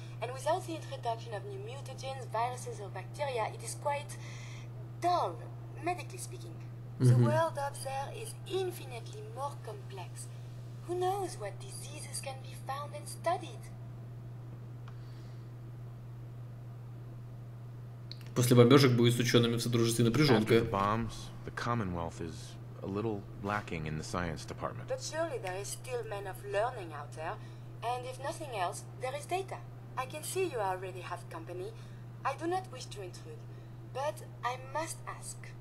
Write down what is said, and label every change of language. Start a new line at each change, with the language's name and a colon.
English: And without the introduction of new mutagens, viruses or bacteria, it is quite dull, medically speaking. The world up there is infinitely more complex. Who knows what diseases can be found and studied?
Russian: После бомбежек будет с учеными в Содружестве напряженка.
English: After the bombs, the Commonwealth is a little lacking in the science department. But surely there is still men of learning out there, and if nothing else, there is data. I can see you already have company. I do not wish to intrude, but I must ask.